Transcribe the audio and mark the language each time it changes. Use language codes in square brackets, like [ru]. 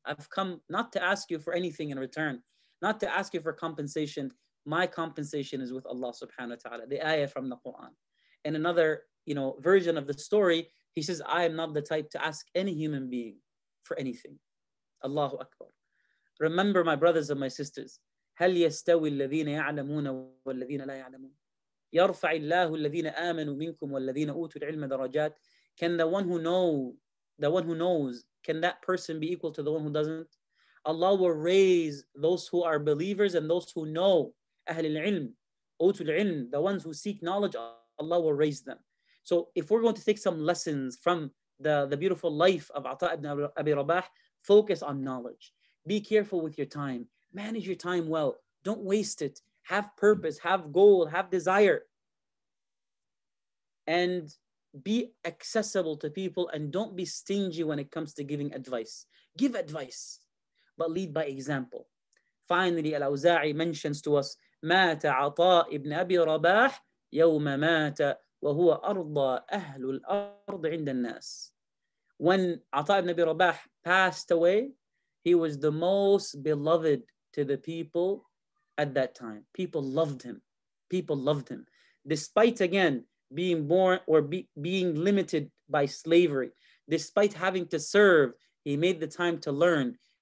[en] I've come not to ask you for anything in return, not to ask you for compensation. My compensation is with Allah subhanahu wa ta'ala. The ayah from the Quran. In another, you know, version of the story, he says, I am not the type to ask any human being for anything. Allahu Akbar. Remember, my brothers and my sisters. [ar] هل يستوي الذين يعلمون والذين لا يعلمون يرفع الله الذين آمنوا منكم والذين أوتوا العلم درجات. [en] Can the one who knows, can that person be equal to the one who doesn't? Allah will raise those who are believers and those who know, [ar] أهل العلم, أوتوا العلم, [en] the ones who seek knowledge, Allah will raise them. So if we're going to take some lessons from the beautiful life of Ata ibn Abi Rabah, focus on knowledge. Be careful with your time. Manage your time well. Don't waste it. Have purpose, have goal, have desire. And be accessible to people and don't be stingy when it comes to giving advice. Give advice, but lead by example. Finally, Al-Awza'i mentions to us, [ar] مَاتَ عَطَاءِ ابْنِ أَبِي رَبَاحِ يَوْمَ مَاتَ وَهُوَ أَرْضَى أَهْلُ الْأَرْضِ عِنْدَ النَّاسِ. [en] When Ata ibn Abi Rabah passed away, he was the most beloved to the people at that time. People loved him. People loved him. Despite, again, being born or being limited by slavery, despite having to serve, he made the time to learn.